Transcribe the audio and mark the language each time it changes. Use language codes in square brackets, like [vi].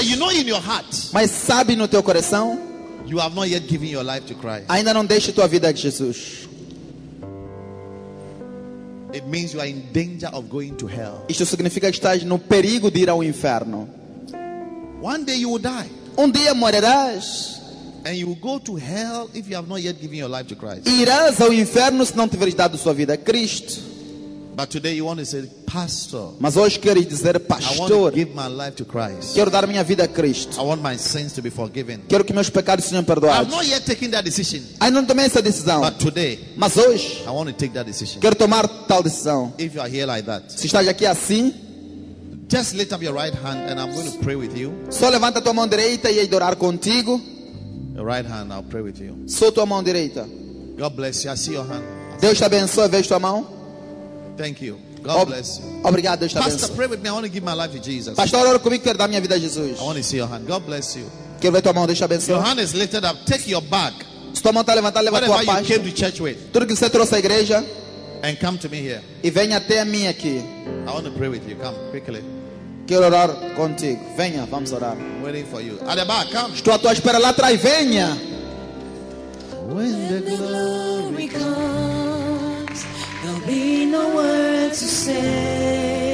[en] But you know in your heart. [pt] Mas sabe no teu coração. [en] You have not yet given your life to Christ. [pt] Ainda não deixaste tua vida a Jesus. [en] It means you are in danger of going to hell. [pt] Isso significa que estás no perigo de ir ao inferno. [en] One day you will die. [pt] Um dia morrerás. [en] And you will go to hell if you have not yet given your life to Christ. [pt] Irás ao inferno se não tiveres dado sua vida a Cristo. [en] But today you want to say, Pastor. [pt] Mas hoje queres dizer, Pastor. [en] I want to give my life to Christ. [pt] Quero dar minha vida a Cristo. [en] I want my sins to be forgiven. [pt] Quero que meus pecados sejam perdoados. [en] I have not yet taken that decision. [pt] Ainda não tomei essa decisão. [en] But today. [pt] Mas hoje. [en] I want to take that decision. [pt] Quero tomar tal decisão. [en] If you are here like that. [pt] Se estás aqui assim. [en] Just lift up your right hand and I'm going to pray with you. [pt] Só levanta tua mão direita e orar contigo. [en] Your right hand, I'll pray with you. [pt] Só tua mão direita. [en] God bless you. I see your hand. [pt] Deus te abençoe, vejo tua mão. [en] Thank you. God bless you. [pt] Obrigado, Deus te abençoe. [en] Pastor, pray with me. I want to give my life to Jesus. [pt] Pastor, ora comigo, quero dar minha vida a Jesus. [en] I want to see your hand. God bless you. [pt] Quero ver tua mão, Deus te abençoe. [en] Your hand is lifted up. Take your bag. [pt] Se tua mão está levantada, leva tua pasta. [en] Whatever you came to church with. [pt] Tudo que você trouxe à igreja. [en] And come to me here. [pt] E venha até a mim aqui. [en] I want to pray with you. Come quickly. [pt] Quero orar contigo. Venha, vamos orar. [en] Waiting for you. At the back, come. [pt] Estou à tua espera lá atrás. Venha. [en] When the glory comes, there'll be no words to say.